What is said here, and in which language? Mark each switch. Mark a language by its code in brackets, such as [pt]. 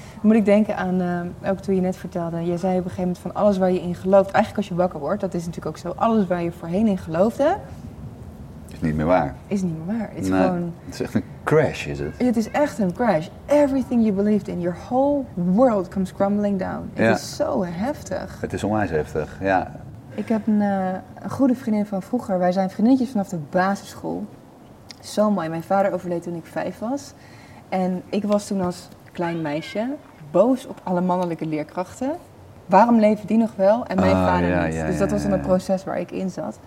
[nl] Moet ik denken aan, ook toen je net vertelde, je zei op een gegeven moment van alles waar je in gelooft, eigenlijk als je wakker wordt, dat is natuurlijk ook zo, alles waar je voorheen in geloofde, is niet meer waar. Is niet meer waar. Nee, gewoon, het is echt een crash, is het? Het is echt een crash. [en] Everything you believed in, your whole world comes crumbling down. [nl] Het is zo heftig. Het is onwijs heftig, ja. Ik heb een goede vriendin van vroeger, wij zijn vriendinnetjes vanaf de basisschool. Zo mooi, mijn vader overleed toen ik 5 was. En ik was toen als klein meisje boos op alle mannelijke leerkrachten. Waarom leven die nog wel en mijn vader niet? Dus dat was dan een proces waar ik in zat.